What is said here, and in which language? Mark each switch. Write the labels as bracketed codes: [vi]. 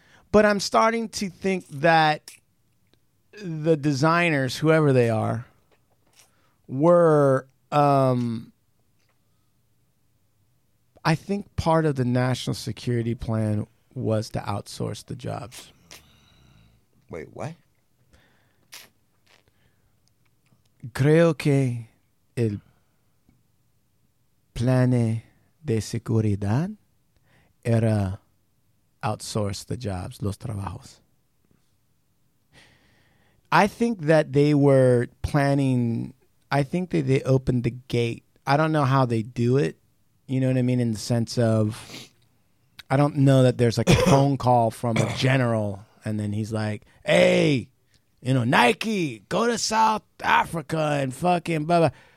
[en] But I'm starting to think that the designers, whoever they are, were, I think part of the national security plan was to outsource the jobs. Wait, what? [es] Creo que el plan de seguridad era... [en] outsource the jobs, los trabajos. I think that they were planning, I think that they opened the gate. I don't know how they do it, you know what I mean, in the sense of, I don't know that there's like a phone call from a general, and then he's like, hey, you know, Nike, go to South Africa and fucking blah, blah.